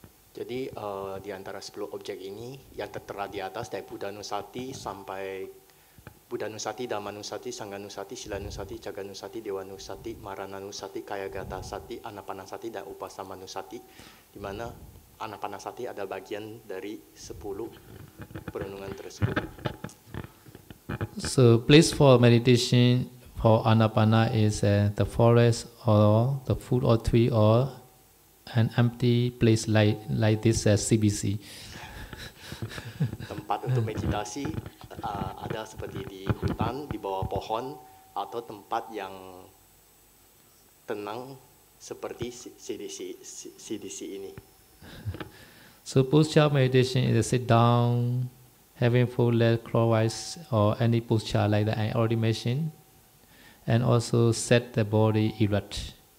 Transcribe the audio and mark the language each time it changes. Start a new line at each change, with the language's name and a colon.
Indonesian: Jadi di antara 10 objek ini yang tertera di atas dari Buddha Anusati sampai Buddha Anusati, Dhamma Anusati, Sangha Anusati, Sila Anusati, Jaga Anusati, Dewa Anusati, Marana Anusati, Kayagata Anusati, Anapanasati dan Upasama Anusati, di mana Anapanasati adalah bagian dari 10 perenungan tersebut.
English: So place for meditation for Anapana is the forest or the food or tree or an empty place like this CBC.
Indonesian: Tempat untuk meditasi ada seperti di hutan, di bawah pohon, atau tempat yang tenang seperti CDC ini.
English: So posture meditation is sit down, having four leg crosswise or any posture like that I already mentioned, and also set the body erect.